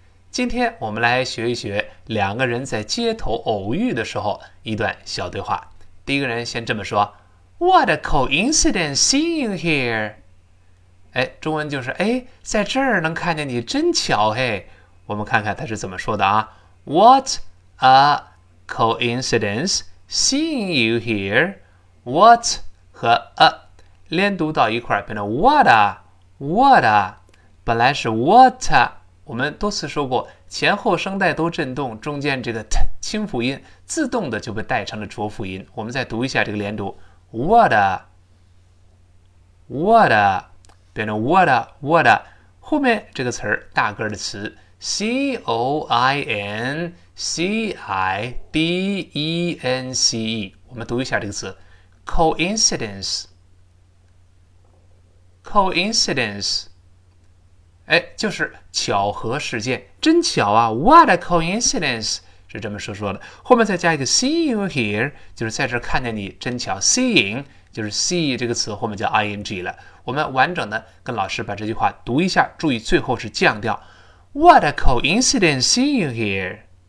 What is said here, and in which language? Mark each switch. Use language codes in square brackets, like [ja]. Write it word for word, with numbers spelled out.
[zh] 今天我们来学一学两个人在街头偶遇的时候一段小对话。第一个人先这么说 [en] What a coincidence seeing you here. [zh] 哎，中文就是哎，在这儿能看见你真巧嘿。我们看看他是怎么说的啊。 [en] What a coincidence seeing you here. [zh] What 和 a连读到一块变成 what a what a 本来是 what a， 我们多次说过前后声带都震动，中间这个 t 清辅音自动的就被带成了浊辅音。我们再读一下这个连读 what a what a 变成 what a what a， 后面这个词儿大个的词 c o i n c i d e n c e， 我们读一下这个词 coincidence coincidence， 哎，就是巧合事件，真巧啊 ！ [en] What a coincidence [zh] 是这么说说的。后面再加一个 [en] see you here， [zh] 就是在这看见你，真巧。 Seeing 就是 see 这个词后面加 ing 了。我们完整的跟老师把这句话读一下，注意最后是降调。 [en] What a coincidence see you here。